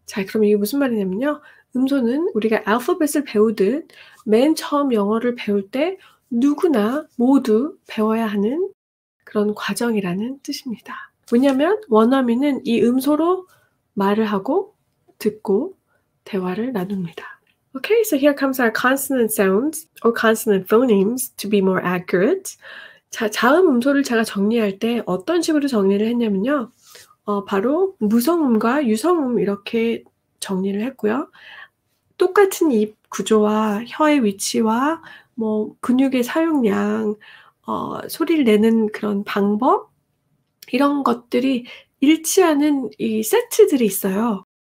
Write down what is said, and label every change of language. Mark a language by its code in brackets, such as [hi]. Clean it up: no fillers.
[ko] 자, 그럼 이게 무슨 말이냐면요. 음소는 우리가 알파벳을 배우듯 맨 처음 영어를 배울 때 누구나 모두 배워야 하는 그런 과정이라는 뜻입니다. 왜냐하면 원어민은 이 음소로 말을 하고 듣고 대화를 나눕니다. [en] Okay, so here comes our consonant sounds or consonant phonemes to be more accurate. [ko] 자, 자음 음소를 제가 정리할 때 어떤 식으로 정리를 했냐면요. 바로 무성음과 유성음 이렇게 정리를 했고요. 똑같은 입 구조와 혀의 위치와 뭐 근육의 사용량, 소리를 내는 그런 방법 이런 것들이 일치하는 이 세트들이 있어요.